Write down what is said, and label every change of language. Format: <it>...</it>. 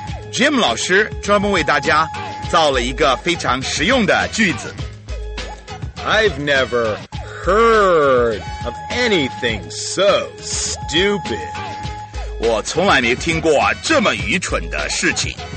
<zh>Jim 老师专门为大家造了一个非常实用的句子。</zh> <en>I've never heard of anything so stupid.</en> <zh>我从来没听过这么愚蠢的事情。</zh>